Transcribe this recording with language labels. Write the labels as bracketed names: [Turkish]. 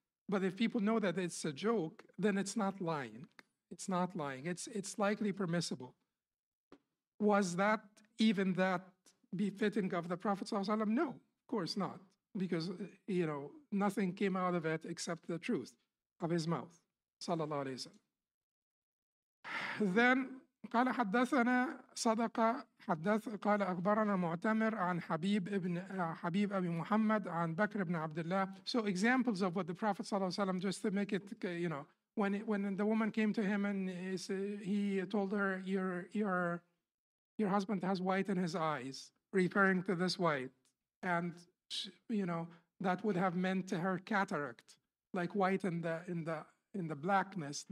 [English] But if people know that it's a joke, then it's not lying. It's not lying. It's likely permissible. Was that even that befitting of the Prophet [Arabic] ﷺ? [English] No, of course not. Because, you know, nothing came out of it except the truth of his mouth. [Arabic] Sallallahu alayhi wa sallam. [English] Then, [Arabic] قال حدثنا صدق حدث قال أخبرنا معتمر عن حبيب ابن حبيب أبي محمد عن بكر بن عبد الله. [English] So examples of what the Prophet [Arabic] صلى الله عليه وسلم, [English] just to make it, you know, when the woman came to him and he told her your husband has white in his eyes, referring to this white, and she, you know, that would have meant to her cataract, like white in the blackness.